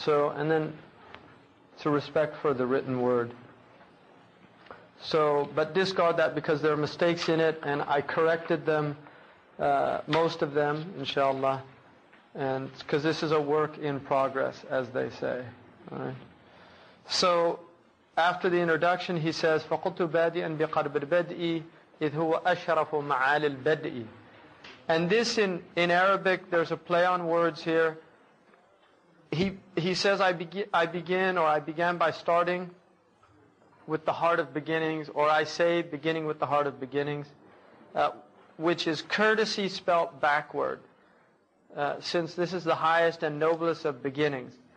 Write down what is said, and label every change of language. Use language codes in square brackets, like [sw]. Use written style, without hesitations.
[en] So, and then it's a respect for the written word. So, but discard that because there are mistakes in it, and I corrected them, most of them, inshallah. And because this is a work in progress, as they say. Right? So, after the introduction, he says, [ar] فَقُلْتُ بَادِئًا بِقَرْبِ الْبَدْءِ إِذْ هُوَ أَشْرَفُ مَعَالِ الْبَدْءِ. [en] And this in Arabic, there's a play on words here. He says, I began by starting with the heart of beginnings, or I say beginning with the heart of beginnings, which is courtesy spelt backward, since this is the highest and noblest of beginnings.